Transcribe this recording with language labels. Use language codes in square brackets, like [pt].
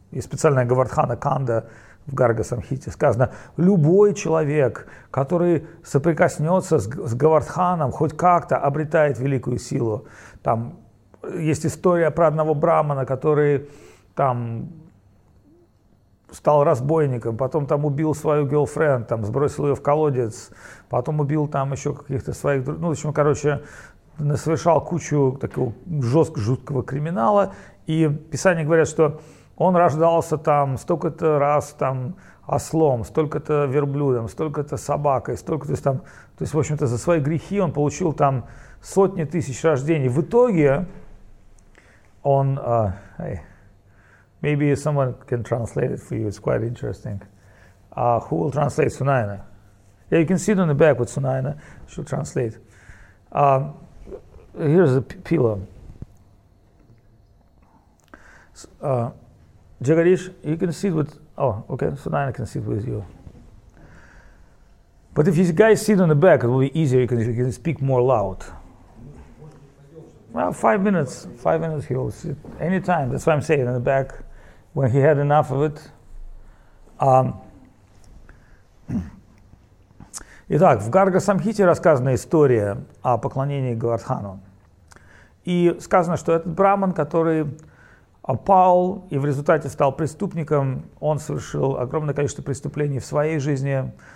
[ru] И специальная Говардхана Канда в Гарга-самхите сказано, любой человек, который соприкоснется с Говардханом, хоть как-то обретает великую силу, там, есть история про одного брахмана, который там стал разбойником, потом там убил свою girlfriend, там сбросил ее в колодец, потом убил там еще каких-то своих, ну, в общем, короче, совершал кучу такого жуткого криминала. И писания говорят, что он рождался там столько-то раз там ослом, столько-то верблюдом, столько-то собакой, столько, то есть там, то есть, в общем-то, за свои грехи он получил там сотни тысяч рождений. В итоге он, [en] maybe someone can translate it for you, it's quite interesting. Who will translate Sunaina? Yeah, you can sit on the back with Sunaina, she'll translate. Here's the pillow. Jagadish, you can sit with, Sunaina can sit with you. But if you guys sit on the back, it will be easier, you can speak more loud. Well, five minutes he will sit anytime. That's why I'm saying in the back, when he had enough of it. [ru] Итак, в Гарга-самхите рассказана история о поклонении Говардхану. И сказано, что этот брахман, который пал и в результате стал преступником, он совершил огромное количество преступлений в своей жизни.